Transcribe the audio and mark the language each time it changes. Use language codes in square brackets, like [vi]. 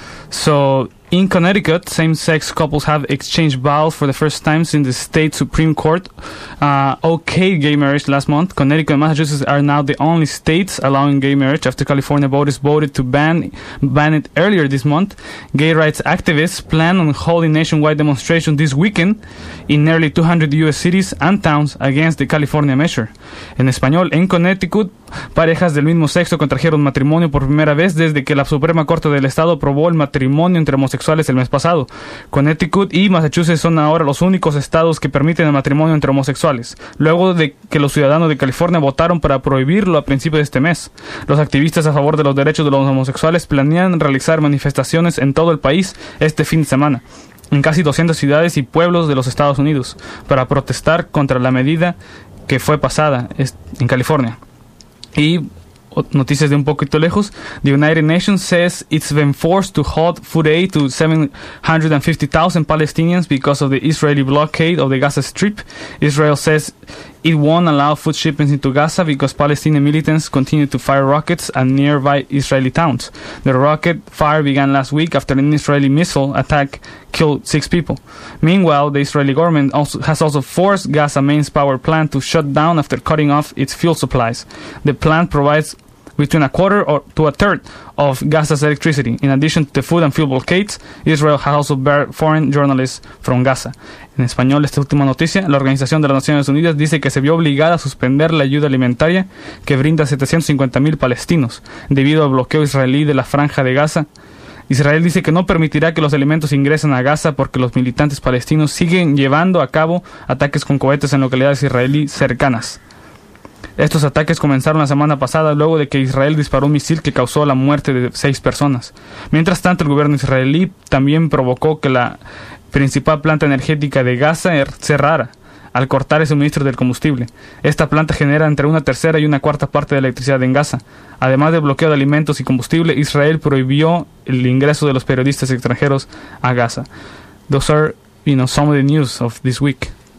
[en] So in Connecticut, same-sex couples have exchanged vows for the first time since the state Supreme Court okayed gay marriage last month. Connecticut and Massachusetts are now the only states allowing gay marriage after California voters voted to ban it earlier this month. Gay rights activists plan on holding nationwide demonstrations this weekend in nearly 200 U.S. cities and towns against the California measure. [es] En español, en Connecticut, parejas del mismo sexo contrajeron matrimonio por primera vez desde que la Suprema Corte del Estado aprobó el matrimonio entre homosexuales el mes pasado. Connecticut y Massachusetts son ahora los únicos estados que permiten el matrimonio entre homosexuales, luego de que los ciudadanos de California votaron para prohibirlo a principios de este mes. Los activistas a favor de los derechos de los homosexuales planean realizar manifestaciones en todo el país este fin de semana, en casi 200 ciudades y pueblos de los Estados Unidos, para protestar contra la medida que fue pasada en California. Y noticias de un poquito lejos. [en] The United Nations says it's been forced to halt food aid to 750,000 Palestinians because of the Israeli blockade of the Gaza Strip. Israel says it won't allow food shipments into Gaza because Palestinian militants continue to fire rockets at nearby Israeli towns. The rocket fire began last week after an Israeli missile attack killed 6 people. Meanwhile, the Israeli government has also forced Gaza Main's power plant to shut down after cutting off its fuel supplies. The plant provides between a quarter to a third of Gaza's electricity. In addition to the food and fuel blockades, Israel has also barred foreign journalists from Gaza. [es] En español, esta última noticia, la Organización de las Naciones Unidas dice que se vio obligada a suspender la ayuda alimentaria que brinda 750,000 palestinos debido al bloqueo israelí de la franja de Gaza. Israel dice que no permitirá que los alimentos ingresen a Gaza porque los militantes palestinos siguen llevando a cabo ataques con cohetes en localidades israelíes cercanas. Estos ataques comenzaron la semana pasada luego de que Israel disparó un misil que causó la muerte de 6 personas. Mientras tanto, el gobierno israelí también provocó que la principal planta energética de Gaza cerrara al cortar el suministro del combustible. Esta planta genera entre una tercera y una cuarta parte de la electricidad en Gaza. Además del bloqueo de alimentos y combustible, Israel prohibió el ingreso de los periodistas extranjeros a Gaza. [en] Those are, you know, some of the news of this week.